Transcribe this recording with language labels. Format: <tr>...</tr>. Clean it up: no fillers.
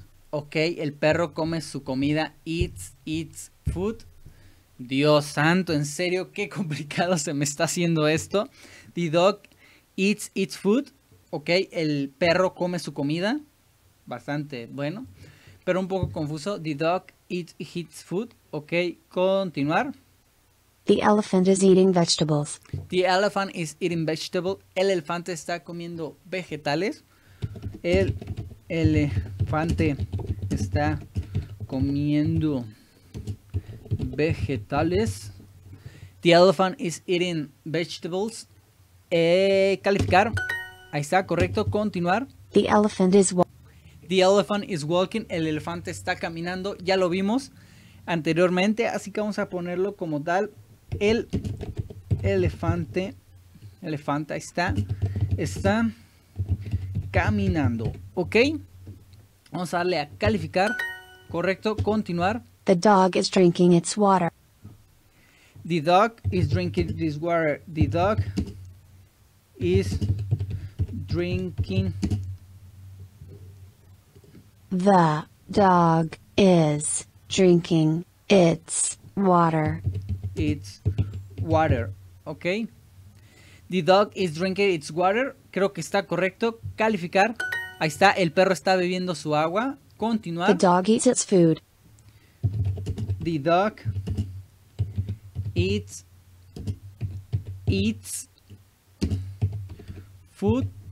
<es>Ok, el perro come su comida.</es> <en>Eats, eats food.</en> <es>Dios santo, en serio, qué complicado se me está haciendo esto.</es> <en>The dog eats its food.</en> <es>Ok, el perro come su comida. Bastante bueno, pero un poco confuso.</es> <en>The dog eats its food. Ok,</en> <es>continuar.</es> <en>The elephant is eating vegetables. The elephant is eating vegetables.</en> <es>El elefante está comiendo vegetales. El elefante está comiendo vegetales.</es> <en>The elephant is eating vegetables.</en> <es>Calificar. Ahí está, correcto. Continuar.</es> <en>The elephant is The elephant is walking.</en> <es>El elefante está caminando. Ya lo vimos anteriormente, así que vamos a ponerlo como tal. El elefante, elefante, ahí está, está caminando, ok. Vamos a darle a calificar, correcto, continuar.</es> <en>The dog is drinking its water. The dog is drinking its water. The dog is drinking. The dog is drinking its water. It's water, ok. The dog is drinking its water.</en> <es>Creo que está correcto. Calificar. Ahí está, el perro está bebiendo su agua. Continuar.</es> <en>The dog eats its food. The dog eats food.</en>